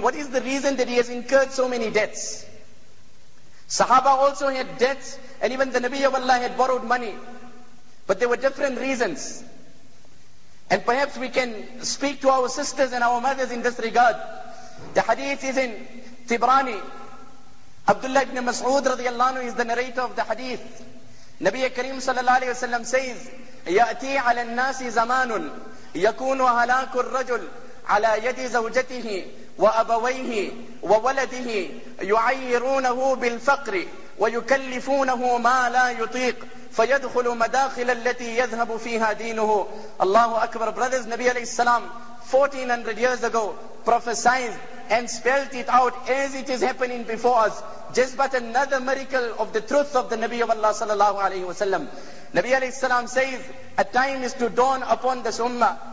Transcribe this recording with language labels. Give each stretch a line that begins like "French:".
English: What is the reason that he has incurred so many debts? Sahaba also had debts and even the Nabi of Allah had borrowed money. But there were different reasons. And perhaps we can speak to our sisters and our mothers in this regard. The hadith is in Tibrani. Abdullah ibn Mas'ud radiallahu anhu is the narrator of the hadith. Nabi Kareem sallallahu alayhi wa sallam says,
Arabic: يَأْتِي عَلَى النَّاسِ زَمَانٌ يَكُونُ هَلَاكُ الرَّجُلْ عَلَى يَدِ زَوْجَتِهِ وَأَبَوَيْهِ وَوَلَدِهِ يُعَيِّرُونَهُ بِالْفَقْرِ وَيُكَلِّفُونَهُ مَا لَا يُطِيقُ فَيَدْخُلُ مَدَاخِلَ الَّتِي يَذْهَبُ فِيهَا دِينُهُ Allahu Akbar.
English: Brothers, Nabi alayhi salam, 1400 years ago, prophesied and spelt it out as it is happening before us. Just but another miracle of the truth of the Nabi of Allah sallallahu alayhi wa sallam. Nabi alayhi salam says, a time is to dawn upon this ummah.